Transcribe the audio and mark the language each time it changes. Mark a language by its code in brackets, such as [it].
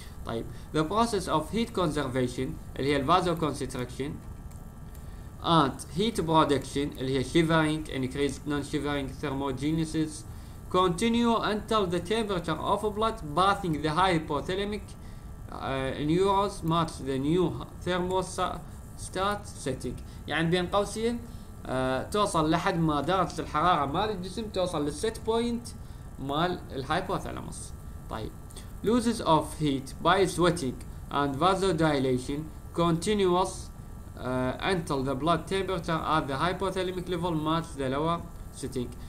[en] طيب the process of heat conservation [ar] اللي هي الفازوكونستريكشن [en] and heat production [ar] اللي هي [en] shivering increased non-shivering thermogenesis continue until the temperature of blood bathing the hypothalamic neurons match the new thermostat setting. [ar] يعني بين قوسين توصل لحد ما درجة الحرارة مال الجسم توصل للست بوينت مال الهايبوثالاموس. [en] طيب loses of heat by sweating and vasodilation continuous until the blood temperature at the hypothalamic level match the lower setting.